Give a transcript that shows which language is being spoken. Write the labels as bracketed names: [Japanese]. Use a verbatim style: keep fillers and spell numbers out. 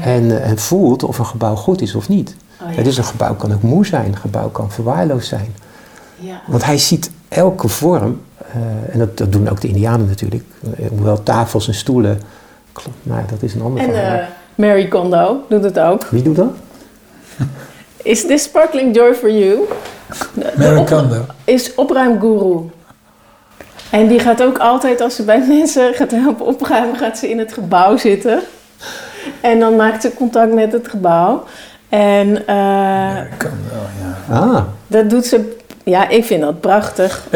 [Dutch] En, uh, en voelt of een gebouw goed is of niet. Oh, ja. Dus een gebouw kan ook moe zijn, een gebouw kan verwaarloosd zijn. Ja. Want hij ziet elke vorm, uh, en dat, dat doen ook de Indianen natuurlijk, hoewel tafels en stoelen, klopt, nou, dat is een ander verhaal. En uh, Mary Kondo doet het ook. Wie doet dat? [English] Is this sparkling joy for you? [Dutch] Mary Kondo. Op, is opruimgoeroe. En die gaat ook altijd, als ze bij mensen gaat helpen opruimen, gaat ze in het gebouw zitten. En dan maakt ze contact met het gebouw. En uh, Mary Kondo, ja. Ah. Dat doet ze, ja, ik vind dat prachtig